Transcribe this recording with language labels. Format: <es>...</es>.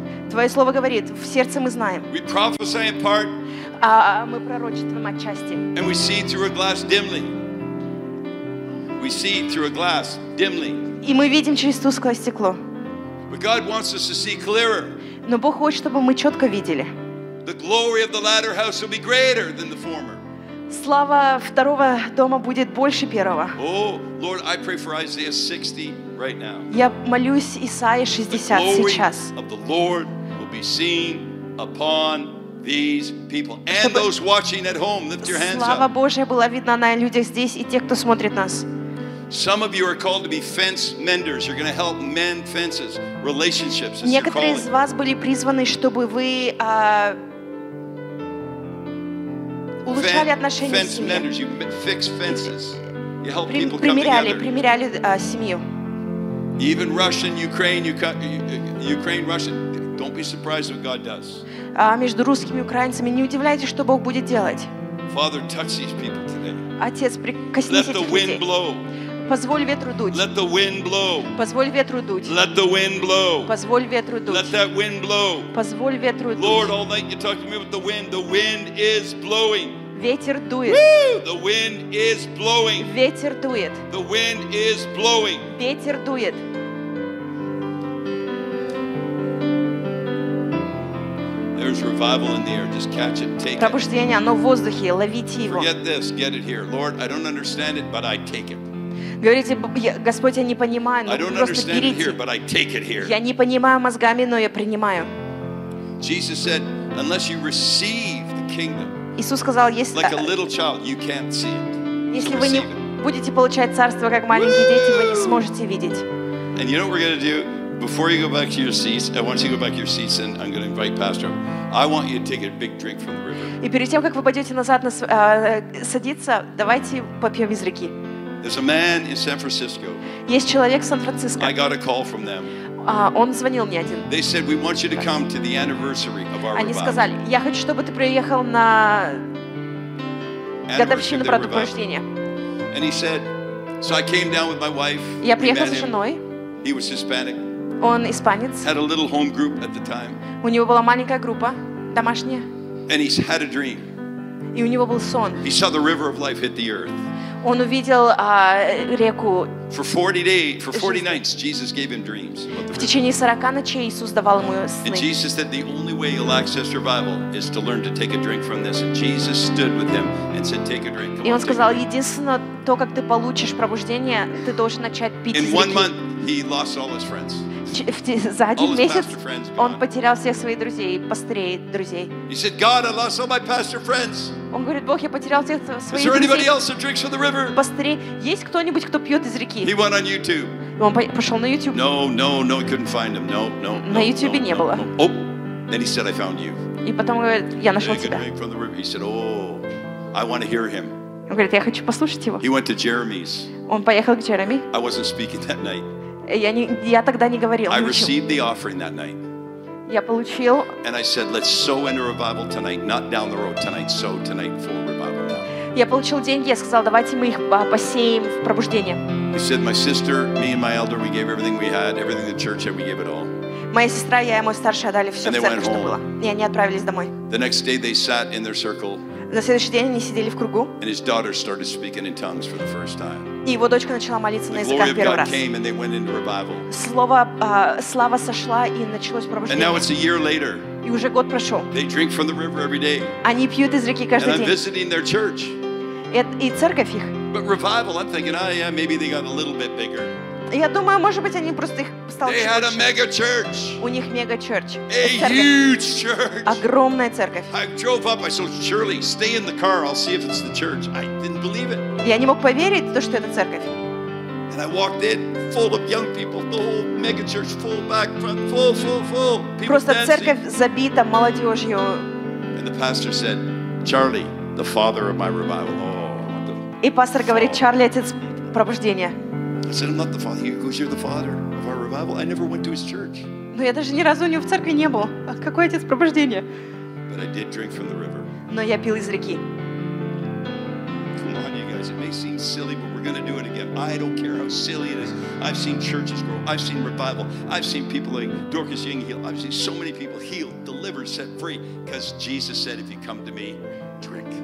<ru>Твое слово говорит, в сердце мы знаем.</ru> <en>We prophesy in part,</en> <ru>а мы пророчествуем отчасти. И мы видим через глаз</ru> <en>dimly. We see through a glass dimly.</en> <ru>И мы видим через тусклое стекло.</ru> <en>But God wants us to see clearer.</en> <ru>Но Бог хочет, чтобы мы четко видели.</ru> <en>The glory of the latter house will be greater than the former.</en> <ru>Слава второго дома будет больше первого.</ru> <en>Oh, Lord, I pray for Isaiah 60 right now.</en> <ru>Я молюсь Исаии 60 сейчас.</ru> <en>The glory of the Lord will be seen upon these people and those watching at home. Lift your hands up.</en> <ru>Слава Божья была видна на людях здесь и тех, кто смотрит нас.</ru> <en>Some of you are called to be fence menders. You're going to help mend fences, relationships.</en> <ru>Некоторые из вас были призваны, чтобы вы улучшали отношения.</ru> <en>Fence menders. You fix fences. You help people come together.</en> <ru>Примеряли семью.</ru> <en>Even Russian, Ukraine, Russian. Don't be surprised what God does.</en> <ru>Между русскими и украинцами не удивляйтесь, что Бог будет делать.</ru> <en>Father, touch these people today.</en> <ru>Отец, прикоснись этих людей.</ru> <en>Let the wind blow.</en> <ru>Позволь ветру дуть.</ru> <en>Let the wind blow.</en> <ru>Позволь ветру дуть.</ru> <en>Let the wind blow.</en> <ru>Позволь ветру дуть.</ru> <en>Let that wind blow.</en> <ru>Позволь ветру дуть.</ru> <en>Lord, all night you're talking to me about the wind. The wind is blowing.</en> <ru>Ветер дует.</ru> <en>The wind is blowing.</en> <ru>Ветер дует.</ru> <en>The wind is blowing.</en> <ru>Ветер дует.</ru> <en>There's revival in the air. Just catch it, take it.</en> <ru>Пробуждение, оно в воздухе. Ловите его.</ru> <en>Forget this, get it here. Lord, I don't understand it, but I take it.</en> <ru>Говорите, Господь, я не понимаю, но просто берите. Я не понимаю мозгами, но я принимаю.</ru> <en>Jesus said, unless you receive the kingdom.</en> <ru>Иисус сказал, если</ru> <en>like a little child, you can't see it.</en> <ru>Если вы не будете получать царство как маленькие дети, вы не сможете видеть.</ru> <en>And you know what we're going to do? Before you go back to your seats, I want you to go back to your seats, and I'm going to invite Pastor. I want you to take a big drink from the river.</en> <ru>И перед тем, как вы пойдете назад садиться, давайте попьем из реки.</ru> <en>There's a man in San Francisco.</en> <ru>Есть человек в Сан-Франциско.</ru> <en>I got a call from them.</en> <ru>Он звонил мне один.</ru> <en>They said we want you to come to the anniversary of our revival.</en> <ru>Они сказали, я хочу, чтобы ты приехал на годовщину пробуждения.</ru> <en>And he said, so I came down with my wife.</en> <ru>Я приехал с женой.</ru> <en>He was Hispanic.</en> <ru>Он испанец.</ru> <en>Had a little home group at the time.</en> <ru>У него была маленькая группа домашняя.</ru> <en>And he had a dream.</en> <ru>И у него был сон.</ru> <en>He saw the river of life hit the earth.</en> <ru>Он увидел реку.</ru> <en>For 40 days, for 40 nights, Jesus gave him dreams.</en> <ru>В течение 40 ночей Иисус давал ему сны.</ru> <en>And Jesus said the only way you'll access revival is to learn to take a drink from this. And Jesus stood with him and said, "Take a drink."</en> <ru>И он сказал, единственное то, как ты получишь пробуждение, ты должен начать пить.</ru> <en>In one month, he lost all his friends.</en> <ru>За один месяц он потерял всех своих друзей, пастырей, друзей.</ru> <en>He said, "God, I lost all my pastor friends."</en> <ru>Он говорит, Бог, я потерял всех своих друзей.</ru> <en>Is there anybody else that drinks from the river?</en> <ru>Пастырей, есть кто-нибудь, кто пьет из реки?</ru> <en>He went on YouTube.</en> <ru>Он пошел на YouTube.</ru> <en>No, I couldn't find him. No.</en> <ru>На YouTube не было.</ru> <en>Oh, then he said, "I found you."</en> <ru>И потом говорит, я нашел тебя.</ru> <en>He drank from the river. He said, "Oh, I want to hear him."</en> <ru>Он говорит, я хочу послушать его.</ru> <en>He went to Jeremy's.</en> <ru>Он поехал к Джереми.</ru> <en>I wasn't speaking that night.</en> <ru>Я тогда не говорил.</ru> <en>I received the offering that night.</en> <ru>Я получил.</ru> <en>And I said, "Let's sow into revival tonight, not down the road tonight. Sow tonight for revival."</en> <ru>Я получил деньги. Я сказал, давайте мы их посеем в пробуждение.</ru> <en>He said, "My sister, me and my elder, we gave everything we had, everything the church had, we gave it all."</en> <ru>Моя сестра, я и мой старший отдали все, что было. И они отправились домой.</ru> <en>The next day they sat in their circle.</en> <ru>На следующий день они сидели в кругу.</ru> <en>And his daughter started speaking in tongues for the first time.</en> <ru>И его дочка начала молиться на языках первый раз.</ru> <en>Came and they went into revival.</en> <ru>Слава сошла и началось пробуждение.</ru> <en>And now it's a year later.</en> <ru>И уже год прошел.</ru> <en>They drink from the river every day.</en> <ru>Они пьют из реки каждый день.</ru> <en>And I'm visiting their church.</en> <ru>И церковь их.</ru> <en>But revival, I'm thinking, maybe they got a little bit bigger.</en> <ru>Я думаю, может быть, они просто их стало больше.</ru> <en>They had a mega church.</en> <ru>У них мега</ru> <en>church. A huge church.</en> <ru>Огромная церковь.</ru> <en>I drove up. I said, "Surely, stay in the car. I'll see if it's the church." I didn't believe it.</en> <ru>Я не мог поверить, что это церковь.</ru> <en>And I walked in, full of young people, the whole mega church, full back front, full.</en> <ru>Просто церковь забита молодежью.</ru> <en>And the pastor said, "Charlie, the father of my revival." Oh.</en> <ru>И пастор говорит, Чарли, отец пробуждения.</ru> <en>I said, "I'm not the father." He goes, "You're the father of our revival." I never went to his church.</en> <ru>Но я даже ни разу у него в церкви не был. Какой отец пробуждения?</ru> <en>But I did drink from the river.</en> <ru>Но я пил из реки.</ru> <en>Come on, you guys. It may seem silly, but we're going to do it again. I don't care how silly it is. I've seen churches grow. I've seen revival. I've seen people like Dorcas Ying heal. I've seen so many people healed, delivered, set free, because Jesus said, "If you come to me, drink."</en>